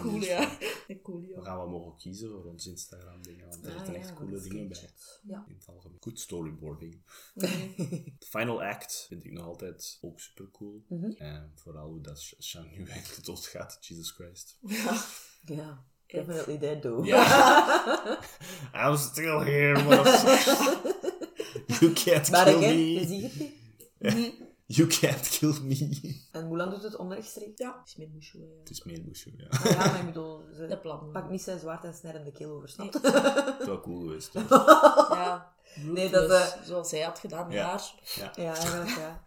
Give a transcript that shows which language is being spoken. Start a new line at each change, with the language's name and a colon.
Dutch: Cool, ja. Cool, ja. We gaan wat mogen kiezen voor ons Instagram dingen, want er zitten echt coole dingen bij. Ja. In het algemeen. Goed storyboarding. Final act vind ik nog altijd ook super cool. Mm-hmm. En vooral hoe dat Shang nu eigenlijk dood gaat, Jesus Christ. Ja. Ja.
English: Definitely dead though. Yeah. I'm still here, motherfucker. You can't kill me. You can't kill me.
Dutch: En Mulan doet het onrechtstreeks. Ja. Het is meer Mushu. Het is meer Mushu, ja. Ja, maar ik bedoel, ze de plan. Pak niet zijn zwaard en snijden de keel over. Nee. Het was cool geweest. Ja. Nee, dat zoals zij had gedaan, daar. Ja. Ja, ja.